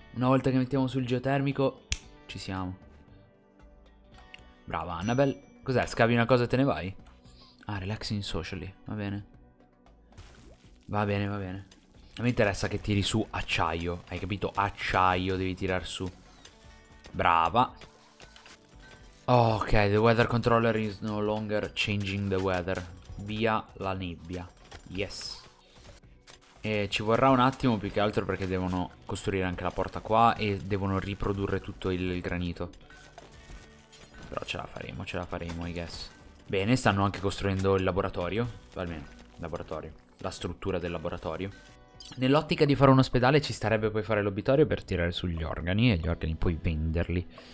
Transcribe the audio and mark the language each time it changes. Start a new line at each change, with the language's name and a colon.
Italian: Una volta che mettiamo sul geotermico, ci siamo. Brava Annabelle. Cos'è? Scavi una cosa e te ne vai? Ah,
English: relaxing socially,
Italian: va bene. Va bene, va bene. A me interessa che tiri su acciaio, hai capito? Acciaio devi tirar su. Brava.
English: Oh, ok, the weather controller is no longer changing the weather.
Italian: Via la nebbia. Yes. E ci vorrà un attimo più che altro perché devono costruire anche la porta qua e devono riprodurre tutto il granito. Però ce la faremo,
English: I guess.
Italian: Bene, stanno anche costruendo il laboratorio. Almeno, laboratorio. La struttura del laboratorio. Nell'ottica di fare un ospedale ci starebbe poi fare l'obitorio per tirare sugli organi e gli organi poi venderli.